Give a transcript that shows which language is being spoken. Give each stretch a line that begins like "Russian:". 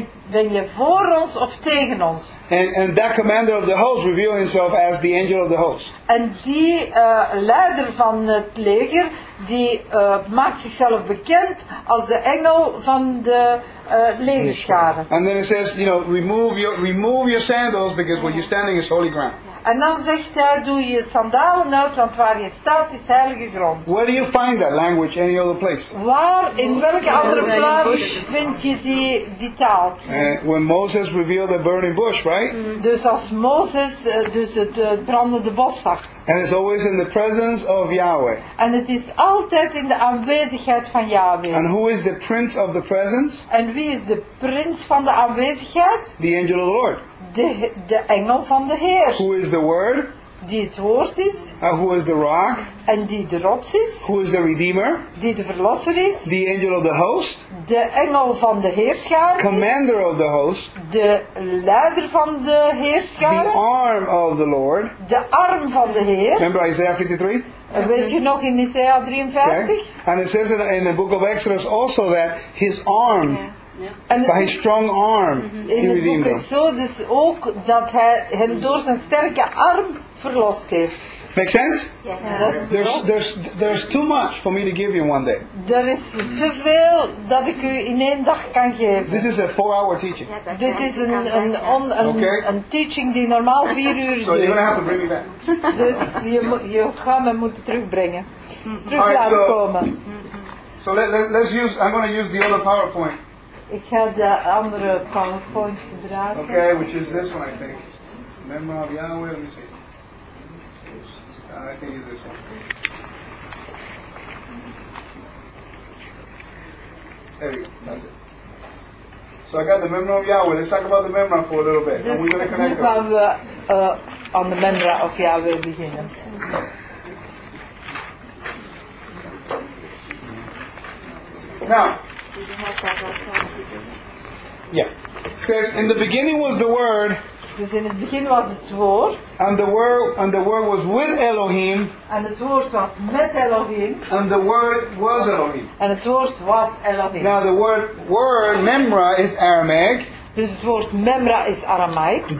Dutch: Ben je voor ons of tegen ons?
English: And that commander of the host revealed himself as the angel of the host.
Dutch: En die leider van het leger, die maakt zichzelf bekend als de engel van de legerscharen.
English: And then it says, you know, remove your sandals because where you're standing is holy ground.
Dutch: En dan zegt hij, doe je sandalen uit, want waar je staat is heilige grond.
English: Where do you find that language any other place?
Dutch: Waar, in welke andere plaats vind je die taal?
English: When Moses revealed the burning bush, right?
Dutch: Dus als Moses dus het brandende bos zag.
English: And it's always in the presence of Yahweh.
Dutch: En het is altijd in de aanwezigheid van Yahweh.
English: And who is the prince of the presence?
Dutch: En wie is de prins van de aanwezigheid?
English: The angel of the Lord.
Dutch: De engel van de Heer.
English: Who is the word?
Dutch: Die het woord is.
English: And who is the rock?
Dutch: En die de rots is.
English: Who is the redeemer?
Dutch: Die de verlosser is.
English: The angel of the host.
Dutch: De engel van de heerscharen.
English: Commander of the host.
Dutch: De leider van de heerscharen.
English: The arm of the Lord.
Dutch: De arm van de Heer.
English: Remember Isaiah 53?
Dutch: Weet je nog in Isaiah 53?
English: And it says in the book of Exodus also that his arm. By his strong arm, he redeemed them.
Dutch: So, dus ook dat hij hem door zijn sterke arm verlost heeft.
English: Make sense? Yes. There's too much for me to give you in one day. There is
Dutch: te veel dat ik u in één dag kan geven.
English: This is a 4-hour teaching.
Dutch: Dit is een teaching die normaal 4 uur is.
English: So you're gonna have to bring me back.
Dutch: Dus je gaat me moeten terugbrengen, terug laten komen.
English: So I'm gonna use the other PowerPoint.
Dutch: Ik ga de andere PowerPoint gebruiken.
English: Okay, which is this one, I think. Memory of Yahweh, let me see. I think it's this one. There you go, that's it. So I got the memory of Yahweh. Let's talk about the memory for a little bit.
Dutch: Dus
English: and we're gonna
Dutch: connect nu gaan we aan de memory of Yahweh beginnen.
English: Now. Yeah. It says in the beginning was the word.
Dutch: Dus in het begin was het woord.
English: And the word was with Elohim.
Dutch: En het woord was met Elohim.
English: And the word was Elohim.
Dutch: En het woord was Elohim.
English: Now the word memra is Aramaic.
Dutch: Dus het woord memra is Aramaic.